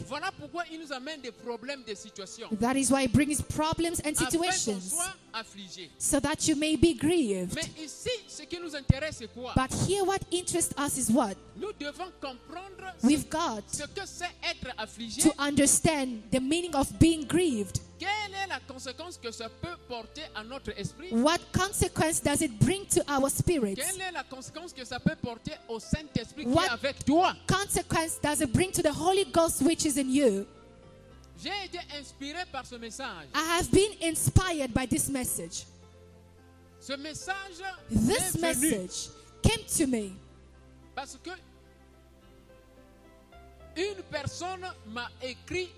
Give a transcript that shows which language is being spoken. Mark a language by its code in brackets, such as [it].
[fr] Voilà pourquoi il nous amène des problèmes, des situations. [en] That is why he brings problems and situations. [fr] Afin qu'on soit affligé. [en] So that you may be grieved. [fr] Mais ici, ce qui nous intéresse, c'est quoi? [en] But here what interests us is what? [fr] Nous devons comprendre [en] we've got [fr] ce que c'est être affligé. [en] To understand the meaning of being grieved. [fr] Quelle est la conséquence que ça peut porter à notre esprit? [en] What consequence does it bring to our spirit? [fr] Quelle est la conséquence que ça peut porter au Saint-Esprit qui est avec toi? [en] What consequence does it bring to the Holy Ghost which is in you? [fr] J'ai été inspiré par ce message. [en] I have been inspired by this message. [fr] Ce message, [en] this message came to me. [fr] Parce que une personne m'a écrit